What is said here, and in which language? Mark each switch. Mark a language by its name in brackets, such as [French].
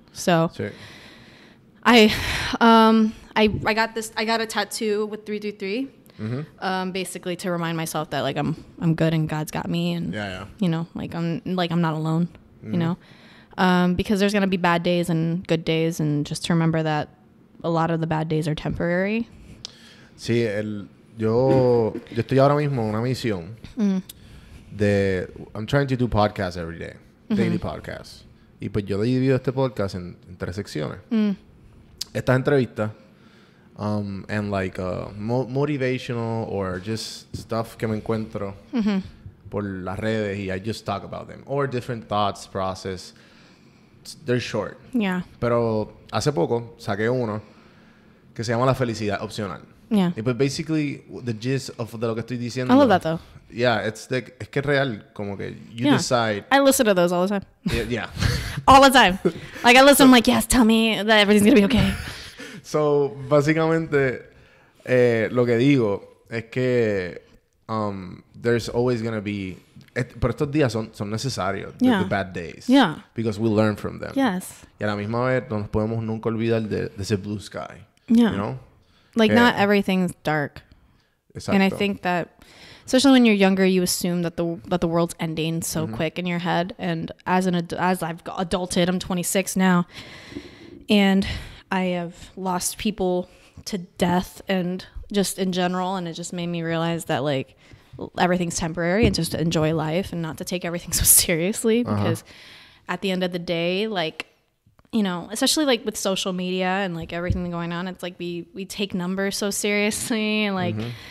[English] So I got a tattoo with 333, mm-hmm. Basically to remind myself that like I'm good and God's got me, and you know, like I'm not alone, mm-hmm. you know. Because there's going to be bad days and good days, and just to remember that a lot of the bad days are temporary. [Spanish] Sí, yo estoy ahora mismo en una misión de... [English] I'm trying to do podcasts every day, daily mm-hmm. podcasts. [Spanish] Y pues yo he dividido este podcast en tres secciones. Estas entrevistas [English] and like motivational or just stuff [Spanish] que me encuentro [English] mm-hmm. [Spanish] por las redes, y [English] I just talk about them. Or different thoughts, process... They're short. Yeah. [Spanish] Pero hace poco saqué uno que se llama La Felicidad Opcional. [English] Yeah. It was basically the gist of [Spanish] de lo que estoy diciendo. [English] I love that, though. Yeah, it's the, [Spanish] es que es real. Como que [English] you decide. I listen to those all the time. Yeah. All the time. Like, I listen, I'm like, yes, tell me that everything's gonna be okay. [Spanish] So, básicamente, lo que digo es que [English] there's always gonna be... [Spanish] Pero estos días son necesarios. [English] The bad days. Yeah. Because we learn from them. Yes. [Spanish] Y a la misma vez, no nos podemos nunca olvidar de ese blue sky. [English] Yeah. You know? Like, not everything's dark. [Spanish] Exacto. [English] And I think that, especially when you're younger, you assume that the world's ending so mm-hmm. quick in your head. And as I've adulted, I'm 26 now, and I have lost people to death and just in general, and it just made me realize that, like, everything's temporary, and just to enjoy life and not to take everything so seriously, because at the end of the day, like, you know, especially like with social media and like everything going on, it's like we take numbers so seriously, and like mm-hmm.